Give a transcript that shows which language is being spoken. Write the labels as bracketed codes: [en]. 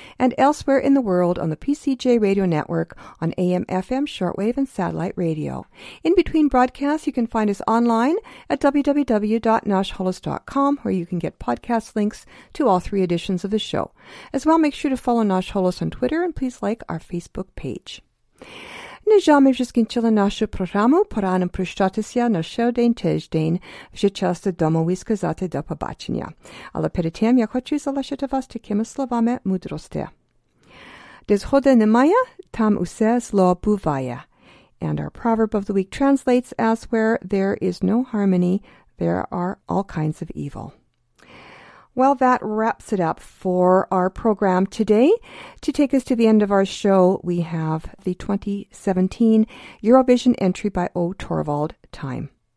[en] And elsewhere in the world on the PCJ Radio Network on AM, FM, shortwave, and satellite radio. In between broadcasts, you can find us online at www.noshholos.com, where you can get podcast links to all three editions of the show. As well, make sure to follow Nash Holos on Twitter and please like our Facebook page. [uk] Нежами вже скінчили нашу програму. Пора нам прощатися на ще один тиждень. Вже час домові сказати до побачення. Але перед тим я хочу залишити вас такими словами мудрості. Де згоди немає, там усе зло буває. [en] And our proverb of the week translates as, where there is no harmony, there are all kinds of evil. Well, that wraps it up for our program today. To take us to the end of our show, we have the 2017 Eurovision entry by Ortovald, Time.